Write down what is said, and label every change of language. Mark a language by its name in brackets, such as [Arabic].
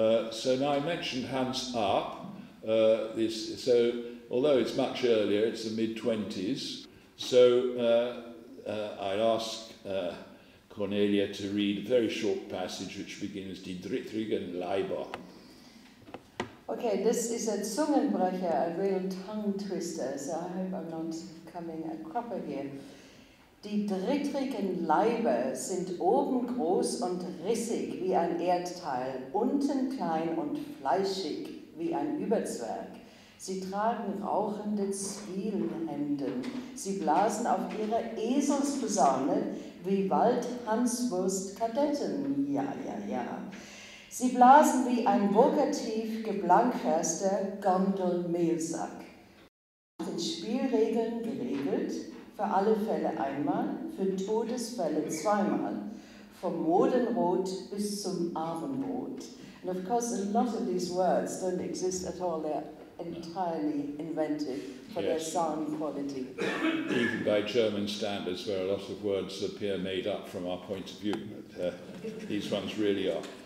[English] So now I mentioned Hans Arp. So although it's much earlier, it's the mid-20s, so I'd ask Cornelia to read a very short passage which begins, [German] "Die drittrigen Leiber." [English] Okay, this is a Zungenbrecher, a real tongue twister, so I hope I'm not coming a cropper here. [German] Die drittrigen Leiber sind oben groß und rissig wie ein Erdteil, unten klein und fleischig wie ein Überzwerg. Sie tragen rauchende Zwielenhemden. Sie blasen auf ihrer Eselsposaune wie Wald-Hanswurst-Kadetten. Ja, ja, ja. Sie blasen wie ein vokativ geblankverster Gondelmehlsack. Nach den Spielregeln geregelt, für alle Fälle einmal, für Todesfälle zweimal. from Morgenrot bis zum Abendrot. [English] And of course, a lot of these words don't exist at all. They're entirely invented for their sound quality. Even by German standards, where a lot of words appear made up from our point of view, but, these ones really are.